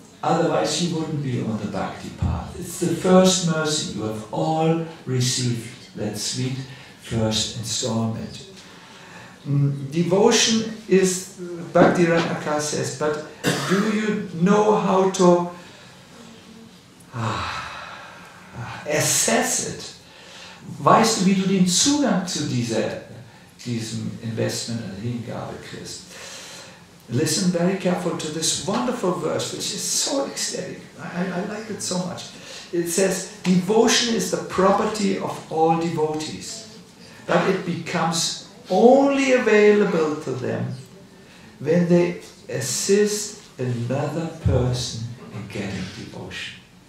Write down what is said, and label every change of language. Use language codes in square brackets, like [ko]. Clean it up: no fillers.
[en] Otherwise you wouldn't be on the bhakti path. It's the first mercy you have all received, that sweet first installment. Devotion is, Bhakti Ratnakar says, but do you know how to assess it? [de] Weißt du, wie du den Zugang zu diesem Investment in Hingabe kriegst? [en] Listen very careful to this wonderful verse, which is so ecstatic. I like it so much. It says, devotion is the property of all devotees, but it becomes only available to them when they assist another person in getting devotion.